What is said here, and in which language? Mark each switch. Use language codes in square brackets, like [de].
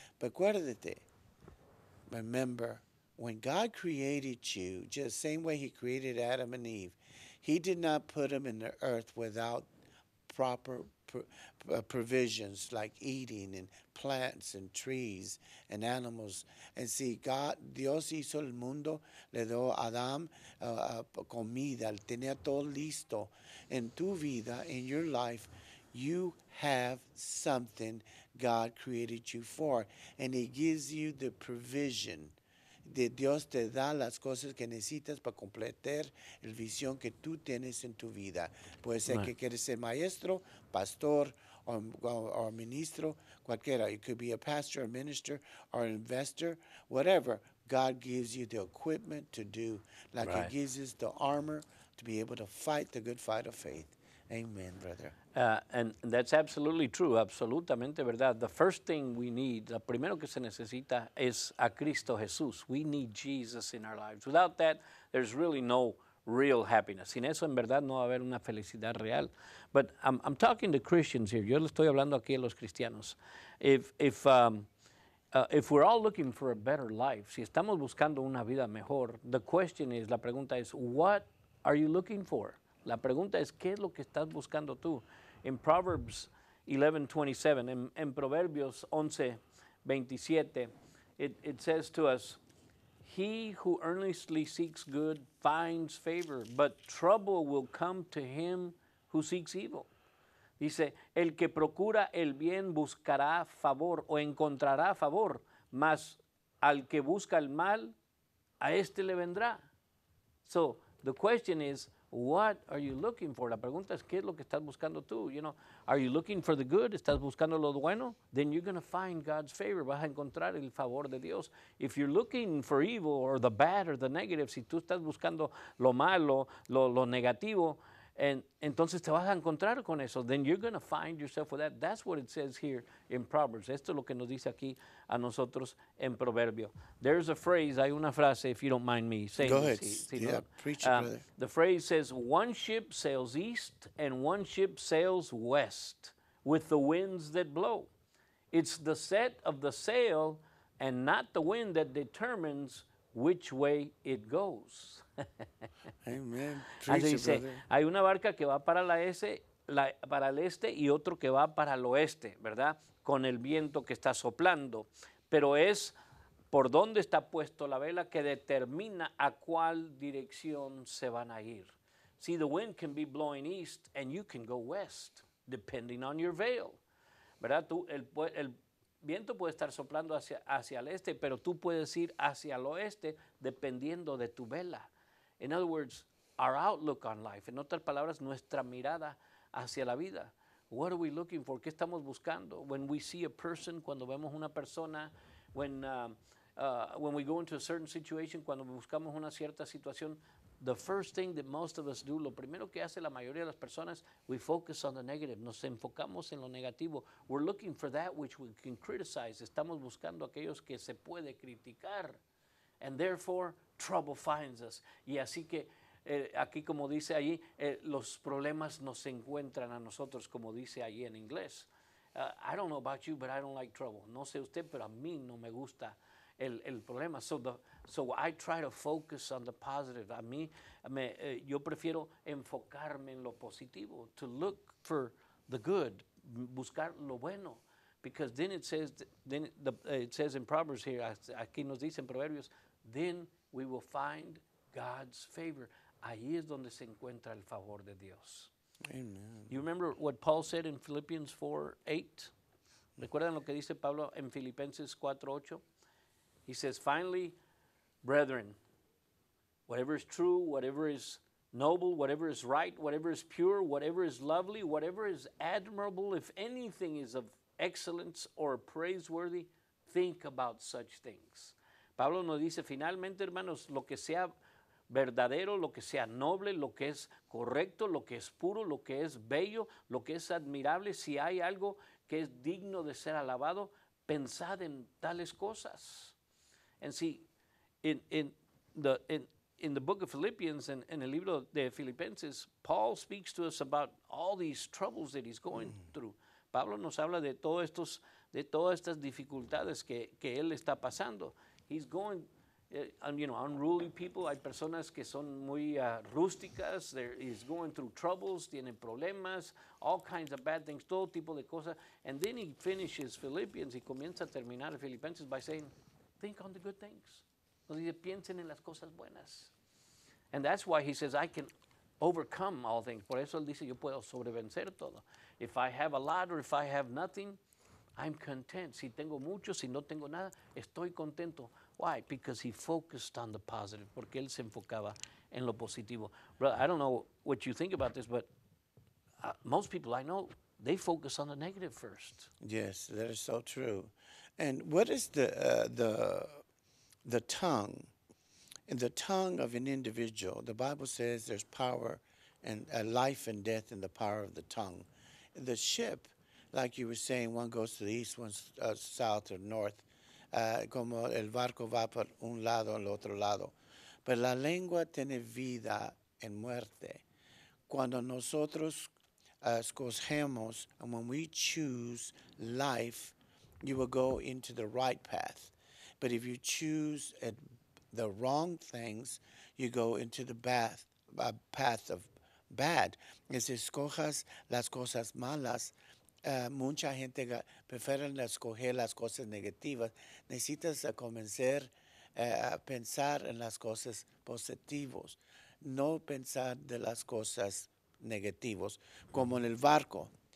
[es] Recuérdate, [en] remember, when God created you, just the same way he created Adam and Eve, he did not put them in the earth without proper provisions like eating and plants and trees and animals. And see, God, [es] Dios hizo el mundo, le dio a Adam comida, tenía todo listo. In tu vida, [en] in your life, you have something God created you for. And he gives you the provision. [es] De Dios te da las cosas que necesitas para completar la visión que tú tienes en tu vida. Puede ser que quieres ser maestro, pastor, o ministro, cualquiera. [en] You could be a pastor, a minister, or an investor, whatever. God gives you the equipment to do, like he gives us the armor to be able to fight the good fight of faith. Amen, brother. And that's absolutely true, [es] absolutamente verdad. [en] The first thing we need, [es] lo primero que se necesita es a Cristo Jesús. [en] We need Jesus in our lives. Without that, there's really no real happiness. [es] Sin eso, en verdad, no va a haber una felicidad real. [en] But I'm talking to Christians here. [es] Yo le estoy hablando aquí a los cristianos. [en] If we're all looking for a better life, [es] si estamos buscando una vida mejor, [en] the question is, [es] la pregunta es, [en] what are you looking for? [es] La pregunta es, ¿qué es lo que estás buscando tú? [en] In Proverbs 11:27, [es] en Proverbios 11:27, [en] it says to us, he who earnestly seeks good finds favor, but trouble will come to him who seeks evil. [es] Dice, el que procura el bien buscará favor o encontrará favor, mas al que busca el mal, a este le vendrá. [en] So, the question is, what are you looking for? [es] La pregunta es, ¿qué es lo que estás buscando tú? [en] You know, are you looking for the good? [es] ¿Estás buscando lo bueno? [en] Then you're going to find God's favor. [es] Vas a encontrar el favor de Dios. [en] If you're looking for evil or the bad or the negative, [es] si tú estás buscando lo malo, lo negativo, [en] and [es] entonces te vas a encontrar con eso. [en] Then you're going to find yourself with that. That's what it says here in Proverbs. [es] Esto es lo que nos dice aquí a nosotros en Proverbio. [en] There's a phrase, [es] hay una frase, [en] if you don't mind me saying this. Go ahead, preach it, brother. The phrase says, one ship sails east and one ship sails west with the winds that blow. It's the set of the sail and not the wind that determines which way it goes. Amen. [es] Así dice, hay una barca que va para para el este y otro que va para el oeste, ¿verdad? Con el viento que está soplando. Pero es por dónde está puesto la vela que determina a cuál dirección se van a ir. [en] See, the wind can be blowing east and you can go west, depending on your veil. [es] ¿Verdad? El viento puede estar soplando hacia el este, pero tú puedes ir hacia el oeste dependiendo de tu vela. [en] In other words, our outlook on life. [es] En otras palabras, nuestra mirada hacia la vida. [en] What are we looking for? [es] ¿Qué estamos buscando? [en] When we see a person, [es] cuando vemos una persona, [en] when we go into a certain situation, [es] cuando buscamos una cierta situación, [en] the first thing that most of us do, [es] lo primero que hace la mayoría de las personas, [en] we focus on the negative. [es] Nos enfocamos en lo negativo. [en] We're looking for that which we can criticize. [es] Estamos buscando aquellos que se puede criticar. [en] And therefore, trouble finds us. [es] Y así que, aquí como dice allí, los problemas nos encuentran a nosotros, como dice allí en inglés. [en] I don't know about you, but I don't like trouble. [es] No sé usted, pero a mí no me gusta el problema. [en] So I try to focus on the positive. [es] Yo prefiero enfocarme en lo positivo, [en] to look for the good, [es] buscar lo bueno. [en] Because it says in Proverbs here, [es] aquí nos dice en Proverbios, [en] then we will find God's favor. [es] Ahí es donde se encuentra el favor de Dios. [en] Amen. You remember what Paul said in Philippians 4:8? [es] ¿Recuerdan lo que dice Pablo en Filipenses 4:8? [en] He says, finally, brethren, whatever is true, whatever is noble, whatever is right, whatever is pure, whatever is lovely, whatever is admirable, if anything is of excellence or praiseworthy, think about such things. [es] Pablo nos dice, finalmente, hermanos, lo que sea verdadero, lo que sea noble, lo que es correcto, lo que es puro, lo que es bello, lo que es admirable, si hay algo que es digno de ser alabado, pensad en tales cosas. [en] And see, in the book of Philippians, [es] en el libro de Filipenses, [en] Paul speaks to us about all these troubles that he's going through. [es] Pablo nos habla de todas estas dificultades que él está pasando. [en] He's going, unruly people. [es] Hay personas que son muy rústicas. [en] He's going through troubles, [es] tienen problemas, [en] all kinds of bad things, [es] todo tipo de cosas. [en] And then he finishes Philippians. [es] He comienza a terminar Filipenses [en] by saying, think on the good things. [es] Nos dice, piensen en las cosas buenas. [en] And that's why he says, I can overcome all things. [es] Por eso él dice, yo puedo sobrevencer todo. [en] If I have a lot or if I have nothing, I'm content. [es] Si tengo mucho, si no tengo nada, estoy contento. [en] Why? Because he focused on the positive. [es] Porque él se enfocaba en lo positivo. [en] Brother, I don't know what you think about this, but most people I know, they focus on the negative first. Yes, that is so true. And what is the tongue? In the tongue of an individual, the Bible says there's power and life and death in the power of the tongue. The ship, like you were saying, one goes to the east, one's south or north. [es] Como el barco va por un lado o el otro lado. Pero la lengua tiene vida en muerte. Cuando nosotros escogemos, [en] and when we choose life, you will go into the right path. But if you choose the wrong things, you go into the path of bad. [es] Y si escojas las cosas malas, mucha gente prefiere escoger las cosas negativas. Necesitas comenzar a pensar en las cosas positivas, no pensar de las cosas negativas, como en el barco.